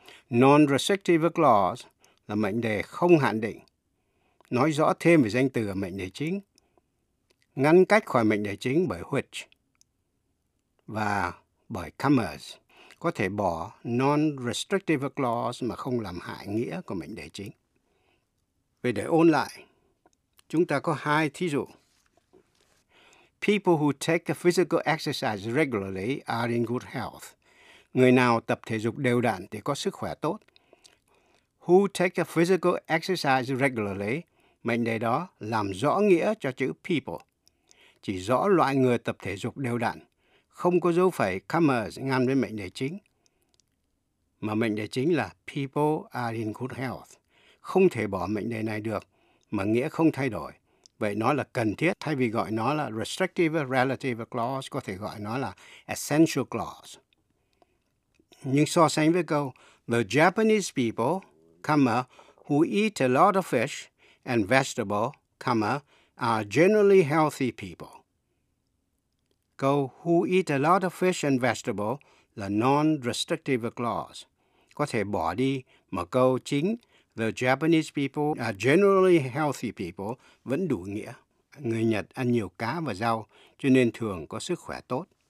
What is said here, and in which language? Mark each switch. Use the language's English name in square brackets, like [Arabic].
[Vietnamese] Non-restrictive clause là mệnh đề không hạn định, nói rõ thêm về danh từ ở mệnh đề chính, ngăn cách khỏi mệnh đề chính bởi which và bởi commerce. Có thể bỏ non-restrictive clause mà không làm hại nghĩa của mệnh đề chính. Về để ôn lại, chúng ta có hai thí dụ. [English] People who take physical exercise regularly are in good health. [Vietnamese] Người nào tập thể dục đều đặn thì có sức khỏe tốt. [English] Who take physical exercise regularly, [Vietnamese] mệnh đề đó làm rõ nghĩa cho chữ people. Chỉ rõ loại người tập thể dục đều đặn, không có dấu phẩy commerce ngăn với mệnh đề chính. Mà mệnh đề chính là [English] people are in good health. [Vietnamese] Không thể bỏ mệnh đề này được, mà nghĩa không thay đổi. Vậy nó là cần thiết, thay vì gọi nó là restrictive relative clause, có thể gọi nó là essential clause. Nhưng so sánh với câu, [English] the Japanese people, comma, who eat a lot of fish and vegetable, comma, are generally healthy people. [Vietnamese] Câu [English] who eat a lot of fish and vegetable [Vietnamese] là non-restrictive clause. Có thể bỏ đi mà câu chính [English] the Japanese people are generally healthy people [Vietnamese] vẫn đủ nghĩa. Người Nhật ăn nhiều cá và rau cho nên thường có sức khỏe tốt.